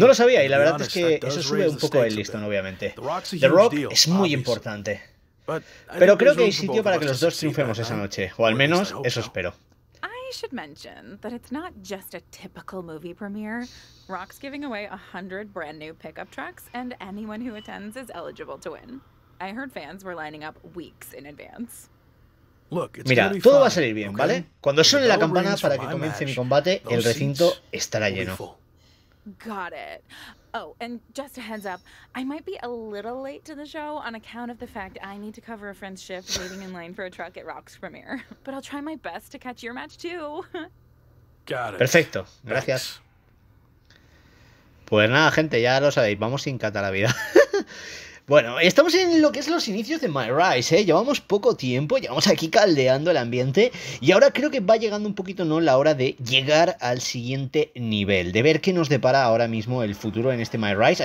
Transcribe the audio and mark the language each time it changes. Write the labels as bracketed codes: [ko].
[es] No lo sabía y la verdad es que eso sube un poco el listón, obviamente. The Rock es muy importante. Pero creo que hay sitio para que los dos triunfemos esa noche. O al menos, eso espero. [en] I should mention that it's not just a typical movie premiere. Rock's giving away 100 brand new pickup trucks and anyone who attends is eligible to win. I heard fans were lining up weeks in advance. [es] Mira, todo va a salir bien, ¿vale? Cuando suene la campana para que comience mi combate, el recinto estará lleno. [en] Got it. Oh, and just a heads up, I might be a little late to the show on account of the fact I need to cover a friend's shift waiting in line for a truck at Rock's premiere. But I'll try my best to catch your match too. Got it. [es] Perfecto, gracias. Pues nada, gente, ya lo sabéis, vamos sin cata la vida. Bueno, estamos en lo que es los inicios de My Rise, ¿eh? Llevamos poco tiempo, llevamos aquí caldeando el ambiente y ahora creo que va llegando un poquito, ¿no?, la hora de llegar al siguiente nivel, de ver qué nos depara ahora mismo el futuro en este My Rise.